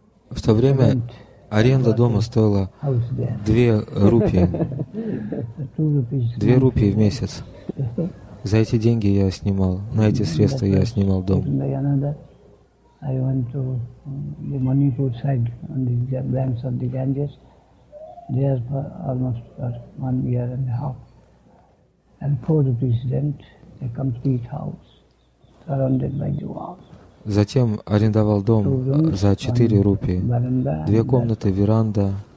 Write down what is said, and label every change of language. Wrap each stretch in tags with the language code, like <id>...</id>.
<ru>В то время аренда дома стоила 2 рупии. 2 рупии в месяц. За эти деньги я снимал, на эти средства я снимал дом.</ru> <en>There for almost for 1 year and a half, and 4 rupees rent a complete house surrounded by the walls.</en> <ru>Затем арендовал дом за 4 рупии, 2 комнаты, веранда.</ru>